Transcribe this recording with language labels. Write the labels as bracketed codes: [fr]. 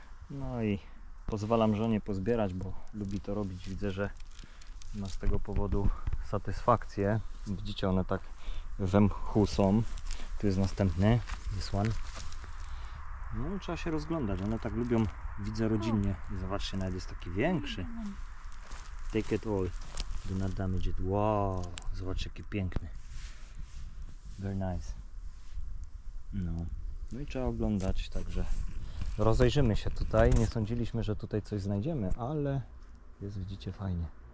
[pl] No i pozwalam żonie pozbierać, bo lubi to robić. Widzę, że ma z tego powodu satysfakcję. Widzicie, one tak we mchu są. Tu jest następny, [en] this one. [pl] No i trzeba się rozglądać, one tak lubią, widzę rodzinnie. I zobaczcie, nawet jest taki większy. [en] Take it all, do not damage it. [pl] Wow, zobaczcie, jaki piękny. [en] Very nice. [pl] No, no i trzeba oglądać, także rozejrzymy się tutaj. Nie sądziliśmy, że tutaj coś znajdziemy, ale jest, widzicie, fajnie.